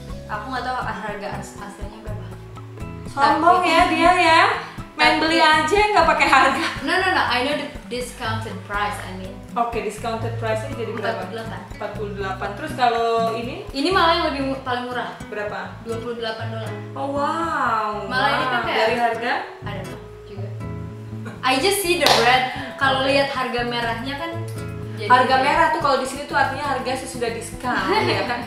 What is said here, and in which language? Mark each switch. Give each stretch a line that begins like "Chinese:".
Indonesian: Aku gak tahu harga aslinya berapa. Sombong tapi, ya dia ya. Main beli aja gak pakai harga.
English: No, I know the discounted price, I mean.
Indonesian: Okay, discounted price nya jadi berapa? 48. Terus kalau ini? Ini malah yang lebih paling murah. Berapa? $28. Oh wow. Malah wow. Ini kan kayak dari harga? Ada juga.
English: I just see the red.
Indonesian: Kalau okay. Lihat harga merahnya kan Harga merah tuh kalau di sini tuh artinya harga sesudah diskon, ya kan?